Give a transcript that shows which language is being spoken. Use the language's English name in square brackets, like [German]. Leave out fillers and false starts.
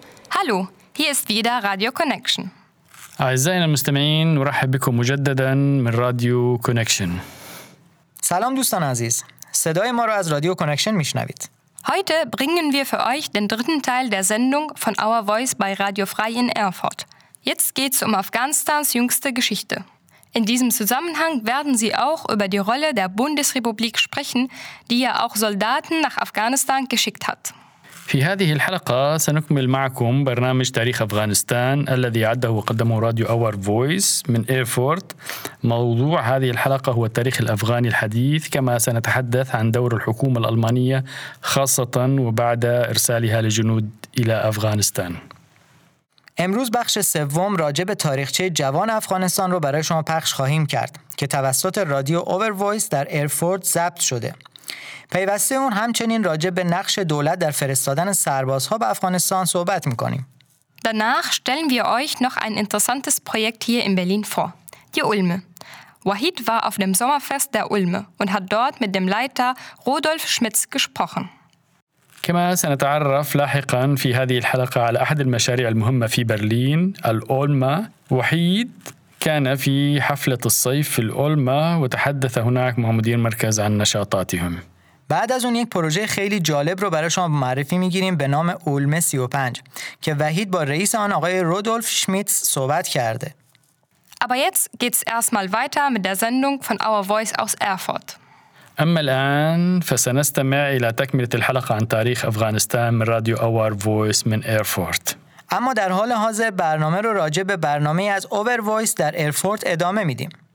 [German] Hallo, hier ist wieder Radio Connection. [Arabic] أعزائنا المستمعين، نرحب بكم مجددا من راديو كونكشن. [Persian] سلام دوستان عزیز. صدای ما را از راديو كونكشن میشنوید. [German] Heute bringen wir für euch den dritten Teil der Sendung von Our Voice bei Radio Frei in Erfurt. Jetzt geht's Afghanistans jüngste Geschichte. In diesem Zusammenhang werden Sie auch über die Rolle der Bundesrepublik sprechen, die ja auch Soldaten nach Afghanistan geschickt hat. [Arabic] في هذه الحلقة سنكمل معكم برنامج تاريخ أفغانستان الذي عده وقدمه راديو أور فويس من إيرفورت. موضوع هذه الحلقة هو التاريخ الأفغاني الحديث، كما سنتحدث عن دور الحكومة الألمانية خاصة وبعد إرسالها لجنود إلى أفغانستان. [Persian] امروز بخش سوم راجع به تاریخچه جوان افغانستان رو برای شما پخش خواهیم کرد که توسط رادیو أور فويس در إيرفورت ضبط شده. پیوسته اون همچنین راجع به نقش دولت در فرستادن سربازها به افغانستان صحبت می‌کنیم. [German] Danach stellen wir euch noch ein interessantes Projekt hier in Berlin vor. Die Ulme. Wahid war auf dem Sommerfest der Ulme und hat dort mit dem Leiter Rudolf Schmitz gesprochen. [Arabic] كما سنتعرف لاحقا في هذه الحلقة على أحد المشاريع المهمة في برلين، الأولما. وحيد كان في حفلة الصيف في الأولما وتحدث هناك مع مدير مركز عن نشاطاتهم. [Persian] بعد از اون یک پروژه خیلی جالب رو برای شما معرفی میگیریم به نام اولمه 35 که وحید با رئیس آن آقای رودولف شمیتز صحبت کرده. [German] Aber jetzt geht's erstmal weiter mit der Sendung von Our Voice aus Erfurt. [Arabic] اما الان فسنستمع الى تكمله الحلقه عن تاريخ افغانستان من راديو Our Voice من Erfurt. [Persian] اما در حال حاضر برنامه رو راجع به برنامه از Our Voice در Erfurt ادامه میدیم.